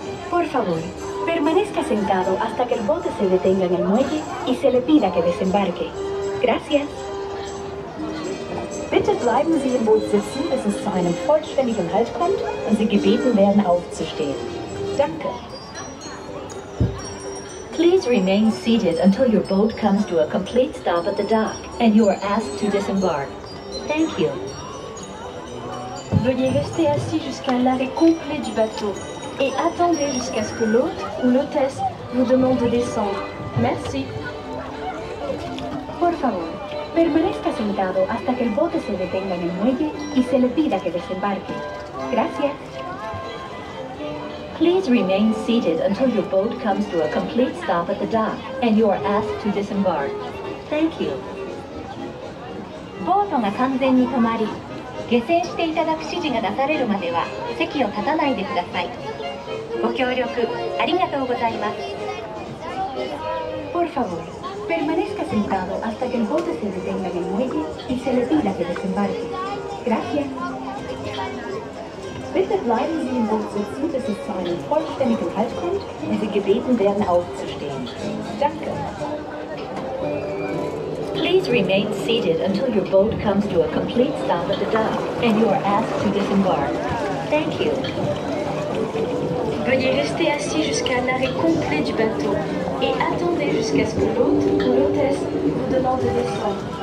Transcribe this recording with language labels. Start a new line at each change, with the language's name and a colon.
Spanish: Por favor, permanezca sentado hasta que el bote se detenga en el muelle y se le pida que desembarque. Gracias.
German: Bitte bleiben Sie im Boot sitzen, bis es zu einem vollständigen Halt kommt und Sie gebeten werden aufzustehen. Danke.
English: Please remain seated until your boat comes to a complete stop at the dock and you are asked to disembark. Thank you.
French: Veuillez rester assis jusqu'à l'arrêt complet du bateau et attendez jusqu'à ce que l'hôte ou l'hôtesse vous demande de descendre. Merci.
Spanish: Por favor, permanezca sentado hasta que el bote se detenga en el muelle y se le pida que desembarque. Gracias.
English: Please remain seated until your boat comes to a complete stop at the dock and you are asked to disembark. Thank you.
Japanese: ボートが完全に止まり、下船していただく指示がなされるまでは席を立たないでください。ご協力ありがとうございます。
Spanish: Por favor, permanezca sentado hasta que el bote se detenga en el muelle y se le pida que desembarque. Gracias.
German: Bitte bleiben Sie im Boot sitzen, bis es zu einem vollständigen Halt kommt und Sie gebeten werden aufzustehen. Danke.
English: Please remain seated until your boat comes to a complete stop at the dock and you are asked to disembark. Thank you.
French: Veuillez rester assis jusqu'à l'arrêt complet du bateau et attendez jusqu'à ce que l'hôte ou l'hôtesse vous demande de descendre.